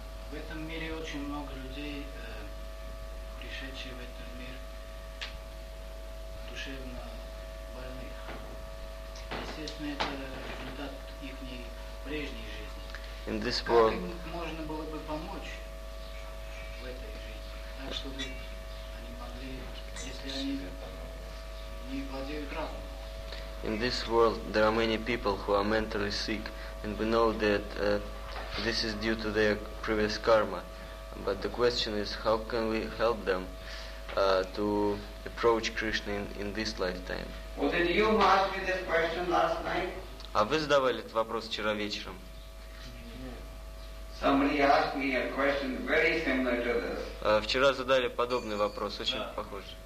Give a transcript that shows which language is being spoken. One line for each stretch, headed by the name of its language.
Russian: В этом мире очень много людей, пришедших в этот мир, душевно больных. Естественно, это результат их прежней жизни.
English: In this world.
Russian: Как им можно было бы помочь в этой жизни, так чтобы они могли, если они не владеют разумом.
English: In this world there are many people who are mentally sick, and we know that this is due to their previous karma. But the question is, how can we help them to approach Krishna in this lifetime? Well, did you ask me this question last night?
Russian: А вы задавали этот вопрос вчера вечером?
English: Somebody asked me a question very similar to this.
Russian: Вчера задали подобный вопрос, очень похож.